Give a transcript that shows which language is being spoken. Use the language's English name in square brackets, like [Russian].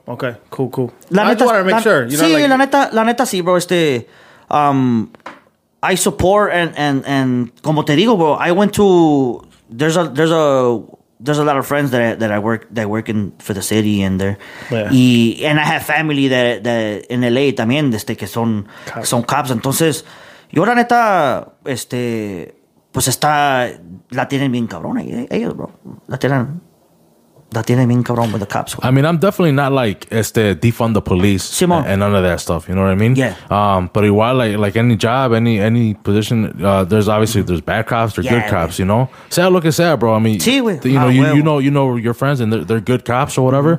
[English] Okay, cool. I just wanna make sure, you know. [Spanish] Sí, la neta sí, [English] bro, I support and [Spanish] como te digo, [English] bro, I went to there's a lot of friends that work in for the city and there. Yeah. And I have family that in LA [Spanish] también que son cops. Entonces, yo la neta pues está la tienen bien cabrón ellos, bro. La tienen bien cabrón [English] with the cops. I mean, I'm definitely not like defund the police, [Spanish] Simon, [English] and none of that stuff. You know what I mean? Yeah. But while like any job, any position, there's obviously there's bad cops, there's good cops. Man. You know, sad look at sad, bro. I mean, you know your friends and they're good cops or whatever.